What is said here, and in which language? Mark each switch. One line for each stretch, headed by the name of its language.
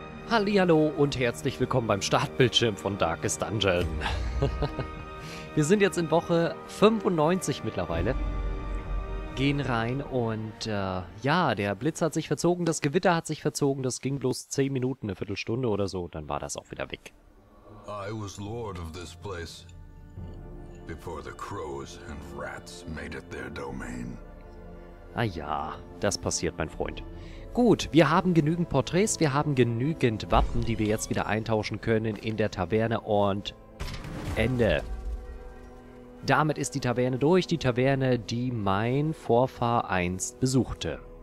German: Hallihallo und herzlich willkommen beim Startbildschirm von Darkest Dungeon. Wir sind jetzt in Woche 95 mittlerweile. Gehen rein und der Blitz hat sich verzogen, das Gewitter hat sich verzogen, das ging bloß 10 Minuten, eine Viertelstunde oder so, dann war das auch wieder weg.
English: I was Lord of this place, before the crows and rats made it their domain.
German: Ah ja, das passiert, mein Freund. Gut, wir haben genügend Porträts, wir haben genügend Wappen, die wir jetzt wieder eintauschen können in der Taverne und Ende. Damit ist die Taverne durch, die Taverne, die mein Vorfahr einst besuchte.